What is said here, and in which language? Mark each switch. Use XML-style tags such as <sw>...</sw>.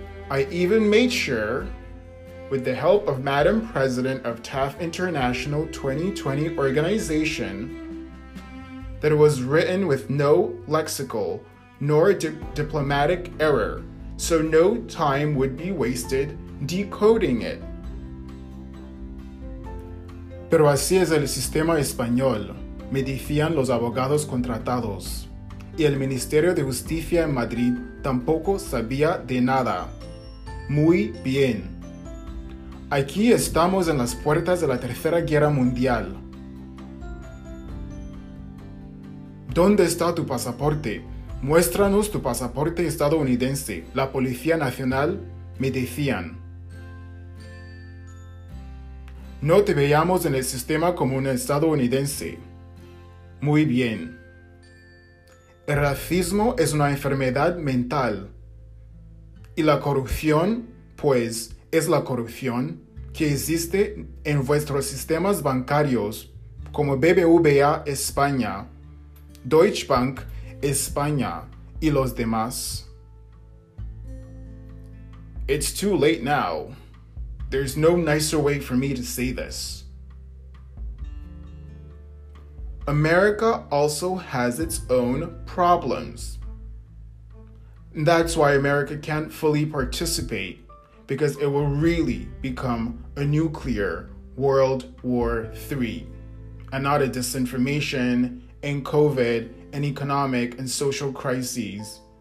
<en>I even made sure, with the help of Madam President of TAF International 2020 organization, that it was written with no lexical nor diplomatic error, so no time would be wasted decoding it.</en> <es>Pero así es el sistema español, me decían los abogados contratados, y el Ministerio de Justicia en Madrid tampoco sabía de nada. Muy bien. Aquí estamos en las puertas de la Tercera Guerra Mundial. ¿Dónde está tu pasaporte? Muéstranos tu pasaporte estadounidense, la Policía Nacional, me decían. No te veíamos en el sistema como un estadounidense. Muy bien. El racismo es una enfermedad mental. Y la corrupción, pues, es la corrupción que existe en vuestros sistemas bancarios como BBVA España, Deutsche Bank España y los demás.</es> <en>It's too late now. There's no nicer way for me to say this. America also has its own problems. That's why America can't fully participate, because it will really become a nuclear World War III, and not a disinformation and COVID and economic and social crises.</en>